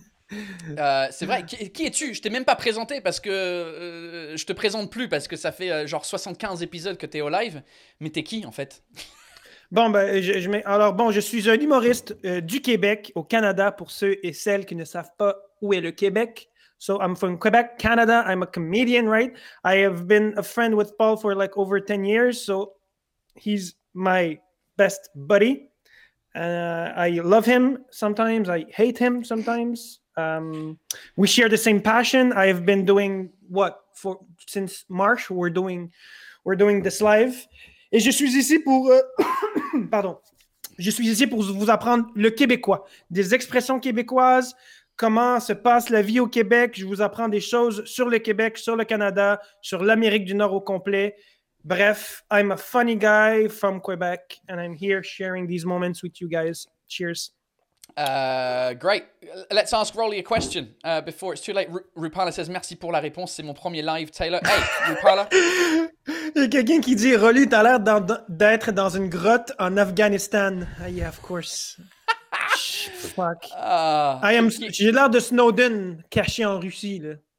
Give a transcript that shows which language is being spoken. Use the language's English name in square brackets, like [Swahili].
[French] c'est vrai, qui es-tu? Je t'ai même pas présenté parce que je te présente plus parce que ça fait genre 75 épisodes que t'es au live, mais t'es qui en fait? Bon, ben, je suis un humoriste du Québec au Canada pour ceux et celles qui ne savent pas où est le Québec. [English] So I'm from Quebec, Canada, I'm a comedian, right? I have been a friend with Paul for like over 10 years, so he's my best buddy. I love him sometimes, I hate him sometimes. We share the same passion. I have been doing since March, we're doing this live. [French] Et je suis ici pour, pardon, je suis ici pour vous apprendre le québécois, des expressions québécoises, comment se passe la vie au Québec. Je vous apprends des choses sur le Québec, sur le Canada, sur l'Amérique du Nord au complet. [English] Bref, I'm a funny guy from Quebec and I'm here sharing these moments with you guys. Cheers. Great. Let's ask Rolly a question before it's too late. [French] Rupala says, merci pour la réponse. C'est mon premier live, Taylor. Hey, Rupala. Il y a quelqu'un qui dit, Rolly, t'as l'air d'être dans une grotte en Afghanistan. [English] Yeah, of course. Fuck. [French] J'ai l'air de Snowden caché en Russie, là.